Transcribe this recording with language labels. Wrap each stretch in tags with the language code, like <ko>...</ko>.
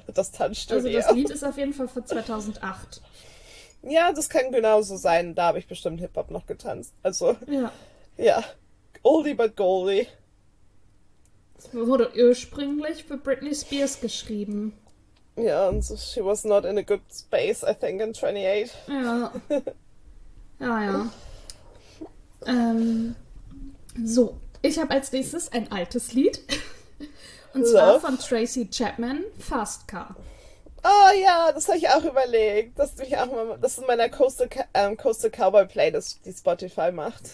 <de>Also das Tanzstudio. Lied ist auf jeden Fall für 2008. Ja, das kann genauso sein. Da habe ich bestimmt Hip-Hop noch getanzt. Also, Ja. ja.</de> <en>Oldie but goldie.</en> <de>Es wurde ursprünglich für Britney Spears geschrieben. Ja, und so,</de> <en>she was not in a good space, I think, in 28.</en> <de>Ja. Ja. So, ich habe als nächstes ein altes Lied. Und zwar</de> <en>Love.</en> <de>von Tracy Chapman, Fast Car. Oh ja, das habe ich auch überlegt. Das ist mich auch mal, das in meiner Coastal Cowboy Playlist, die Spotify macht.</de>